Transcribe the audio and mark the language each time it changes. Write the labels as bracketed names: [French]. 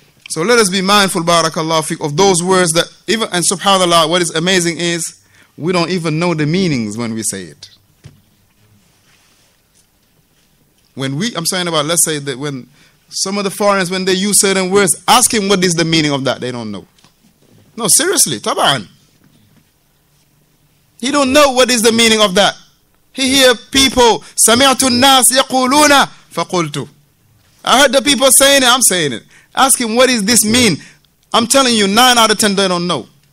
[English] So let us be mindful, barakallahu fiqh, of those words that even, and subhanAllah, what is amazing is, we don't even know the meanings when we say it. When some of the foreigners, when they use certain words, ask him what is the meaning of that, they don't know. No, seriously, taban. He don't know what is the meaning of that. He hear people, [Arabic] سَمِعْتُ النَّاسِ يَقُولُونَ فَقُلْتُ. [English] I heard the people saying it, I'm saying it. Ask him, what does this mean? I'm telling you, 9 out of 10, they don't know.